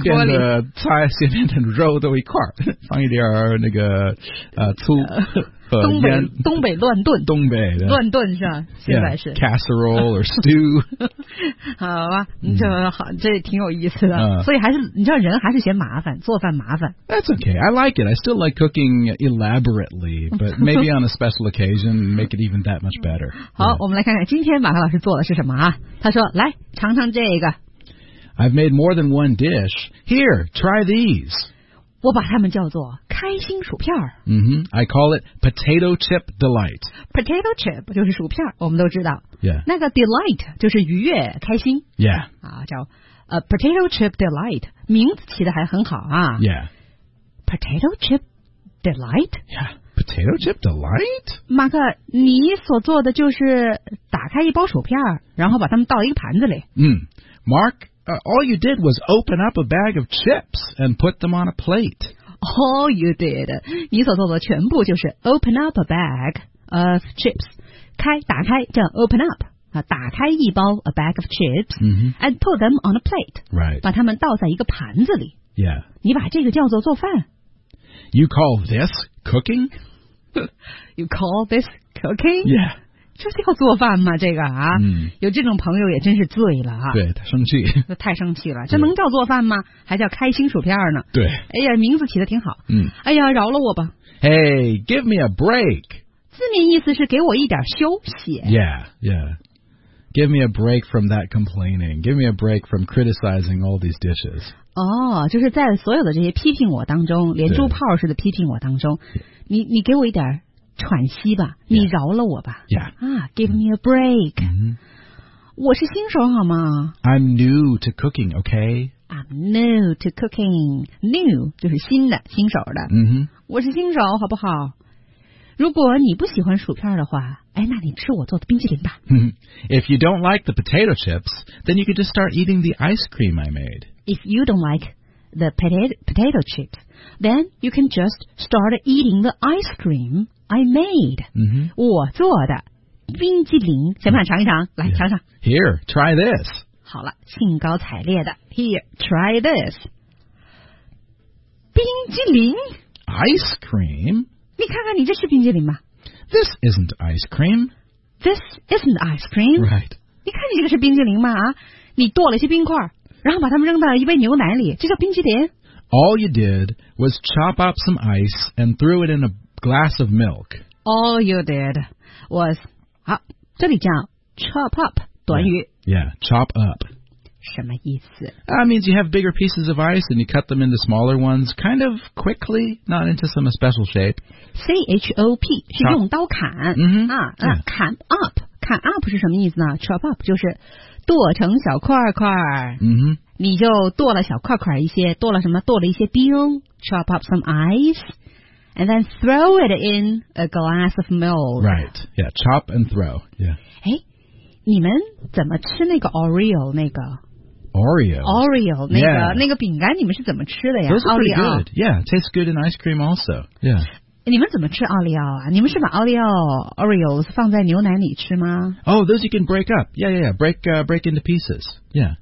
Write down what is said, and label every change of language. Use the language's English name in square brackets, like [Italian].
[Chinese] 会变得菜先变成肉都一块儿，放一点那个醋和烟。东北乱炖。东北的乱炖是吧？现在是 [English] yeah, casserole or stew 。 [Chinese] 好吧，这好，这挺有意思的。所以还是你知道人还是嫌麻烦做饭麻烦 [English] That's okay I like it I still like cooking elaborately But maybe on a special occasion Make it even that much better [Chinese] 好、yeah. 我们来看看今天马克老师做的是什么啊他说来尝尝这个 [English] I've made more than one dish Here try these [Chinese] 我把它们叫做开心薯片、 [English] mm-hmm. I call it potato chip delight [Chinese] Potato chip 就是薯片我们都知道、 [English] yeah. [Chinese] 那个 delight 就是愉悦开心 [English] Yeah [Chinese] 啊叫 [English] potato chip delight [Chinese] 名字起的还很好啊 [English] Yeah Potato chip delight Yeah potato chip delight? [Chinese] 马克，你所做的就是打开一包薯片，然后把它们倒一个盘子里。 [English] 嗯 ，Mark, all you did was open up a bag of chips and put them on a plate. All you did, [Chinese] 你所做的全部就是 [English] open up a bag of chips, [Chinese] 开打开叫 [English] open up。 [Chinese] 打开一包 [English] a bag of chips、 mm-hmm. and put them on a plate、 right. [Chinese] 把它们倒在一个盘子里、 [English] yeah. [Chinese] 你把这个叫做做饭 [English] You call this cooking? You call this cooking? Yeah [Chinese] 这叫做饭吗这个啊、 mm. 有这种朋友也真是醉了、啊、对他生气太生气了这能叫做饭吗还叫开心薯片呢对哎呀名字起得挺好、 mm. 哎呀饶了我吧 [English] Hey give me a break [Chinese] 字面意思是给我一点休息 [English] Yeah yeahGive me a break from that complaining. Give me a break from criticizing all these dishes. [Chinese] 哦、oh, ，就是在所有的这些批评我当中，连珠炮似的批评我当中，你给我一点喘息吧， [English] yeah. [Chinese] 你饶了我吧。 [English] Yeah. 啊、ah, ，Give me a break.、 Mm-hmm. [Chinese] 我是新手好吗 [English] ？I'm new to cooking. Okay. I'm new to cooking. New [Chinese] 就是新的，新手的。嗯哼。我是新手，好不好？如果你不喜欢薯片的话，哎，那你吃我做的冰淇淋吧。 [English] If you don't like the potato chips, then you could just start eating the ice cream I made. If you don't like the potato chips, then you can just start eating the ice cream I made.、 Mm-hmm. [Chinese] 我做的冰淇淋，想不想尝一尝？来、 [English] yeah. [Chinese] 尝尝。 [English] Here, try this. [Chinese] 好了，兴高采烈的。 [English] Here, try this. [Chinese] 冰淇淋。 [English] Ice cream? [Chinese] 你看看你这是冰淇淋吗 [English] This isn't ice cream. This isn't ice cream. Right. [Chinese] 你看你这个是冰淇淋吗、啊、你剁了一些冰块然后把它们扔到一杯牛奶里这叫冰淇淋 [English] All you did was chop up some ice and threw it in a glass of milk. All you did was... [Chinese] 好这里叫 [English] chop up 短语 Yeah, chop up. [Chinese] 什么意思 [English] That means you have bigger pieces of ice and you cut them into smaller ones kind of quickly, not into some special shape. [Chinese] C-H-O-P 是用刀砍、 mm-hmm. 啊 yeah. 砍 up 砍 up 是什么意思呢 Chop up 就是剁成小块块、 mm-hmm. 你就剁了小块块一些剁了什么剁了一些冰 [English] Chop up some ice and then throw it in a glass of milk. Right, yeah, chop and throw. Yeah. [Chinese] 诶你们怎么吃那个 Oreo 那个 [English] Oreo [Chinese] 那个、 [English] yeah. [Chinese] 那个饼干你们是怎么吃的呀 [English] Those are pretty good Yeah, tastes good in ice cream also Yeah [Chinese] 你们怎么吃奥利奥啊你们是把奥利奥 Oreos 放在牛奶里吃吗 [English] Oh, those you can break up Yeah, yeah, yeah break into pieces Yeah